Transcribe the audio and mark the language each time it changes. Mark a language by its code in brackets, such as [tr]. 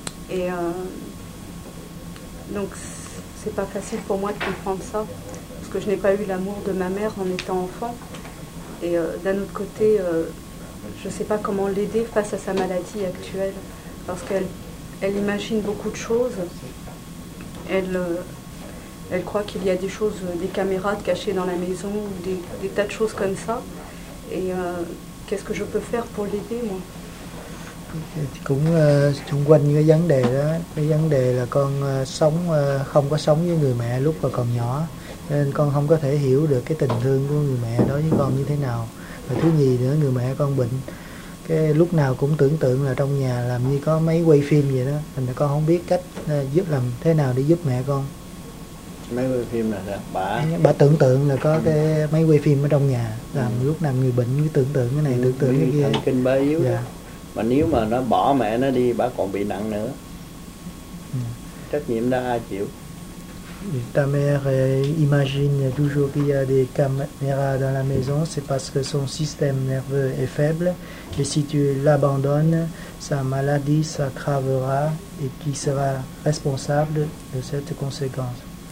[fr] Et donc c'est pas facile pour moi de comprendre ça parce que je n'ai pas eu l'amour de ma mère en étant enfant et d'un autre côté je sais pas comment l'aider face à sa maladie actuelle parce qu'elle imagine beaucoup de choses, elle croit qu'il y a des choses, des caméras cachées dans la maison ou des tas de choses comme ça et qu'est-ce que je peux faire pour l'aider moi. [vi] Thì cũng xung quanh những cái vấn đề đó, cái vấn đề là con sống không có sống với người mẹ lúc mà còn nhỏ, nên con không có thể hiểu được cái tình thương của người mẹ đối với con như thế nào. Và thứ gì nữa, người mẹ con bệnh, cái lúc nào cũng tưởng tượng là trong nhà làm như có máy quay phim vậy đó, mình là con không biết cách giúp làm thế nào để giúp mẹ con. Máy quay phim là bà tưởng tượng là có cái máy quay phim ở trong nhà làm lúc nào người bệnh cứ tưởng tượng cái này, tưởng tượng cái kia. Kinh ba yếu. Dạ. Mà nếu mà nó bỏ mẹ nó đi, bà còn bị nặng nữa. Trách nhiệm đó ai chịu? [fr] Ta mère imagine toujours qu'il y a des caméras dans la maison, c'est parce que son système nerveux est faible. Et si tu l'abandonnes, sa maladie s'aggravera et qui sera responsable de cette conséquence?